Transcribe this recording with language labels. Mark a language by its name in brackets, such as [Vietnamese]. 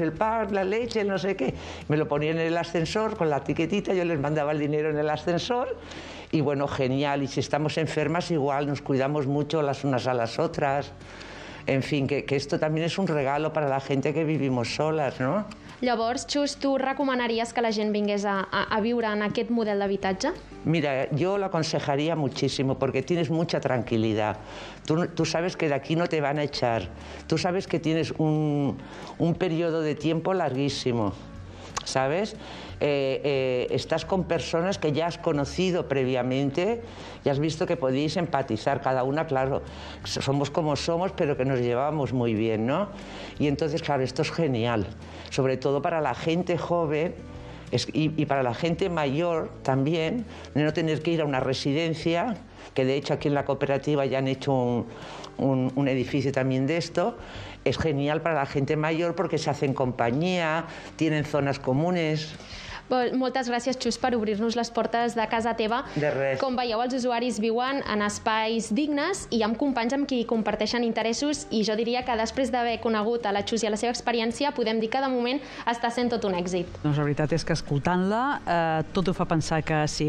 [Spanish] ¿El pan, la leche, el no sé qué? Me lo ponían en el ascensor con la etiquetita, yo les mandaba el dinero en el ascensor y bueno, genial. Y si estamos enfermas, igual nos cuidamos mucho las unas a las otras. En fin, que esto también es un regalo para la gente que vivimos solas, ¿no? [Catalan] Llavors, Xus, ¿tú recomanarías que la gent vingués a viure en aquest model d'habitatge? [Spanish] Mira, yo lo aconsejaría muchísimo porque tienes mucha tranquilidad. Tú sabes que de aquí no te van a echar. Tú sabes que tienes un periodo de tiempo larguísimo, ¿sabes? Estás con personas que ya has conocido previamente y has visto que podéis empatizar. Cada una, claro, somos como somos, pero que nos llevamos muy bien, ¿no? Y entonces, claro, esto es genial. Sobre todo para la gente joven y para la gente mayor también, de no tener que ir a una residencia, que de hecho aquí en la cooperativa ya han hecho un edificio también de esto, es genial para la gente mayor porque se hacen compañía, tienen zonas comunes. [Catalan] Moltes gràcies, Xus, per obrir-nos les portes de casa teva. De res. Com veieu, els usuaris viuen en espais dignes i amb companys amb qui comparteixen interessos i jo diria que després d'haver conegut a la Xus i a la seva experiència, podem dir que de moment està sent tot un èxit. Doncs la veritat és que escoltant-la tot ho fa pensar que sí.